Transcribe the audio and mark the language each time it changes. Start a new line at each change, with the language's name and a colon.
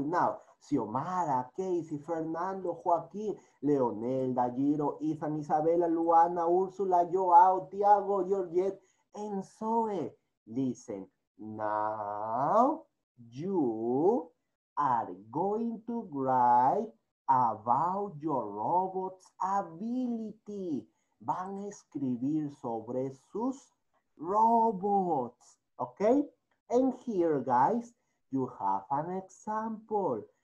English: Now, Xiomara, Casey, Fernando, Joaquín, Leonel, Dayiro, Ethan, Isabela, Luana, Úrsula, Joao, Tiago, Georgette, and Zoe. Listen, now you are going to write about your robot's ability.
Spanish: Van a escribir sobre sus robots.
English: Okay, and here, guys, you have an example.